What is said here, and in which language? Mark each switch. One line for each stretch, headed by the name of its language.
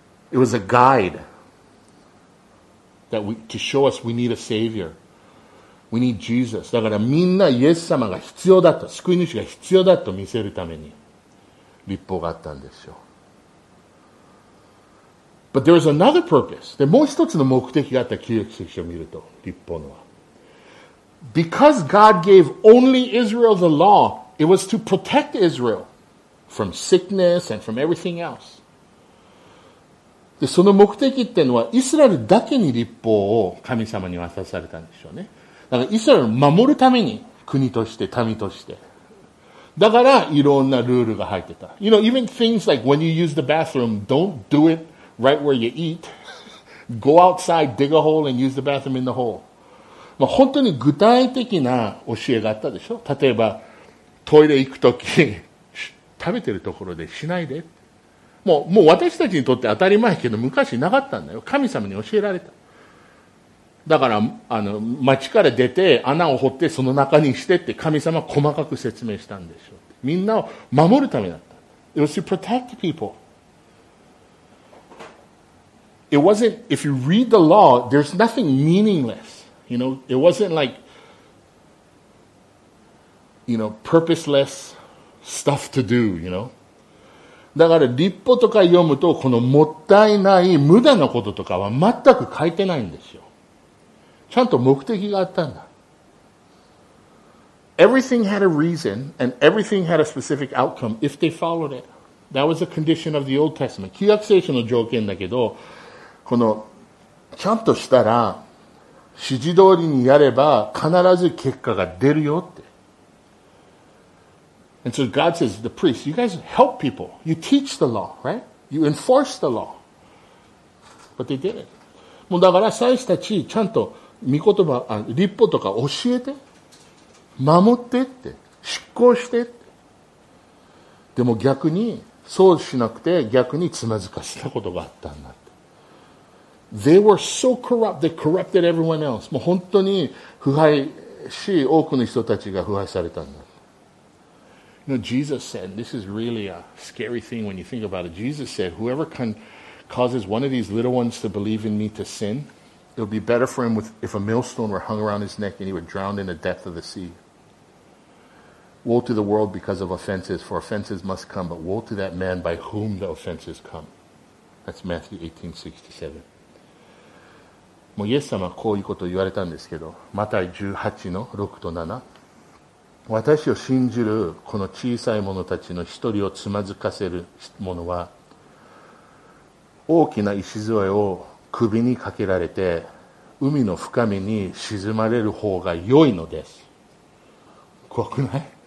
English: It was a guide that we, to show us we need a savior. We need Jesus.
Japanese: だからみんなイエス様が必要だと、救い主が必要だと見せるために律法があったんですよ。
English: But there is another purpose.
Japanese: で、もう一つの目的があった、旧約聖書を見ると、立法のは。
English: Because God gave only Israel the law, it was to protect Israel from sickness and from everything else.
Japanese: で、その目的っていうのは、イスラエルだけに立法を神様に渡されたんでしょうね。だから、イスラエルを守るために、国として、民として。だから、いろんなルールが入ってた。
English: You know, even things like when you use the bathroom, don't do itright where you eat. Go outside, dig a hole and use the bathroom in the hole.
Japanese: まあ本当に具体的な教えがあったでしょ。例えばトイレ行くとき、食べてるところでしないで。もう私たちにとって当たり前けど、昔なかったんだよ。神様に教えられた。だから町から出て穴を掘ってその中にしてって神様は細かく説明したんでしょ。みんなを守るためだった。
English: It was to protect people. It wasn't, if you read the law, there's nothing meaningless. You know, it wasn't like, you know, purposeless stuff to do, you know.
Japanese: だから律法とか読むと、このもったいない無駄なこととかは全く書いてないんですよ。ちゃんと目的があったんだ。
English: Everything had a reason and everything had a specific outcome if they followed it. That was a condition of the Old Testament.
Japanese: 旧約聖書の条件だけど、このちゃんとしたら指示通りにやれば必ず結果が出るよって。
English: And so God says to the priest, you guys help people. You teach the law, right? You enforce the law. But they didn't.
Japanese: もうだから祭司たち、ちゃんと御言葉、律法とか教えて、守ってって、執行してって。でも逆にそうしなくて、逆につまずかしたことがあったんだ。
English: They were so corrupt, they corrupted everyone else.
Japanese: もう本当に腐敗し、多くの人たちが腐敗されたんだ。
English: You know, Jesus said, this is really a scary thing when you think about it. Jesus said, whoever can causes one of these little ones to believe in me to sin, it would be better for him with, if a millstone were hung around his neck and he were drowned in the depth of the sea. Woe to the world because of offenses, for offenses must come, but woe to that man by whom the offenses come. That's Matthew 18:67.
Japanese: もうイエス様はこういうことを言われたんですけど、マタイ18の6と7、私を信じるこの小さい者たちの一人をつまずかせる者は大きな石杖を首にかけられて海の深みに沈まれる方が良いのです。怖くない？